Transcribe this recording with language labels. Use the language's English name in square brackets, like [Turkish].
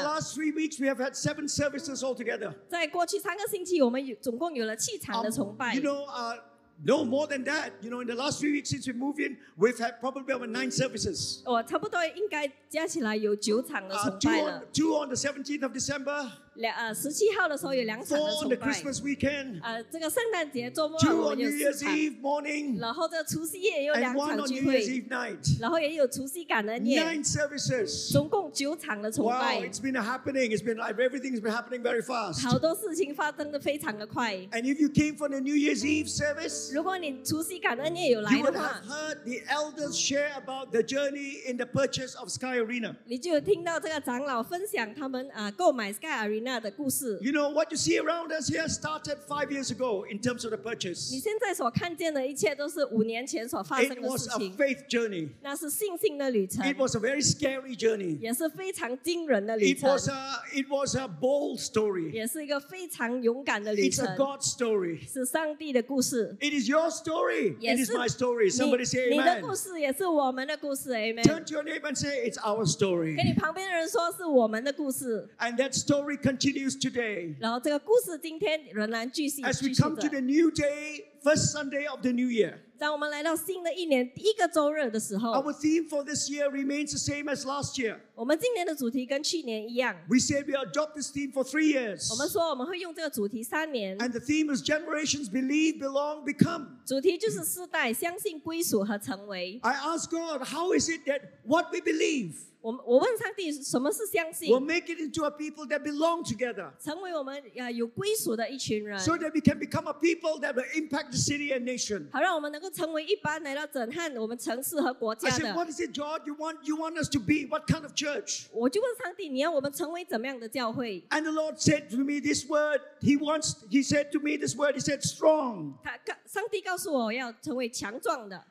[English] In the last 3 weeks, we have had 7 services altogether. [Chinese] 在过去三个星期,我们总共有了7场的崇拜. [English] You know, no more than that. You know, in the last 3 weeks since we moved in, we've had probably over 9 services. [Chinese] 差不多应该加起来有9场的崇拜了. [English] Two on the 17th of December. [Chinese] 17号的时候有两场的崇拜, [English] four on the Christmas weekend, [Chinese] 这个圣诞节周末, [English] two on New Year's Eve morning, [Chinese] 然后这除夕夜有两场聚会, [English] and one on New Year's Eve night, [Chinese] 然后也有除夕感恩夜, [English] nine services, [Chinese] 总共9场的崇拜. [English] Wow, it's been happening. It's been like everything's been happening very fast. [Chinese] 好多事情发生得非常的快. [English] And if you came for the New Year's Eve service, [Chinese] 如果你除夕感恩夜有来的话, [English] you would have heard the elders share about the journey in the purchase of Sky Arena. [Chinese] 你就有听到这个长老分享他们,购买 Sky Arena. [English] You know, what you see around us here started 5 years ago in terms of the purchase. [Chinese] 你现在所看见的一切都是5年前所发生的事情。 [English] It was a faith journey. [Chinese] 那是信心的旅程。 [English] It was a very scary journey. [Chinese] 也是非常惊人的旅程。 [English] It was a bold story. [Chinese] 也是一个非常勇敢的旅程。 [English] It's a God story. [Chinese] 是上帝的故事。 [English] It is your story. It is my story. Somebody say amen. [Chinese] 你的故事也是我们的故事, amen. [English] Turn to your neighbor and say, it's our story. [Chinese] 跟你旁边的人说是我们的故事。 [English] And that story continues today. [Chinese] 然后这个故事今天仍然继续, [English] as we come to the new day, first Sunday of the new year. [Chinese] 当我们来到新的一年, 第一个周日的时候, [English] our theme for this year remains the same as last year. [Chinese] 我们今年的主题跟去年一样, [English] we say we adopt this theme for 3 years. [Chinese] 我们说我们会用这个主题3年, [English] and the theme is generations believe, belong, become. [Chinese] 主题就是世代, 相信归属和成为. [English] I ask God, how is it that what we believe, [Chinese] 我问上帝什么是相信, [English] we'll make it into a people that belong together, [Chinese] 成为我们, 有归属的一群人, [English] so that we can become a people that will impact the city and nation. [Chinese] 好让我们能够成为一般来到整汉我们城市和国家的。 [English] I said, what is it, God, you want us to be? What kind of church? [Chinese] 我就问上帝, 你要我们成为怎么样的教会? [English] And the Lord said to me this word, he said strong. [Chinese] 上帝告诉我要成为强壮的。